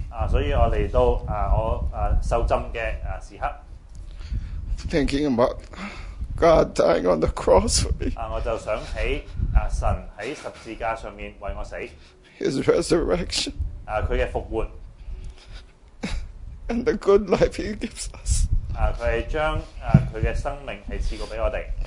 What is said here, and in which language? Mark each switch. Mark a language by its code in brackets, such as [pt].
[zh] 所以我来到我受浸的时刻。 [en] Thinking about God dying on the cross for me. [zh] 我就想起神在十字架上为我死。 [en] His resurrection. [zh] 他的复活。 [en] And the good life he gives us. [zh] 他将他的生命赐过给我们。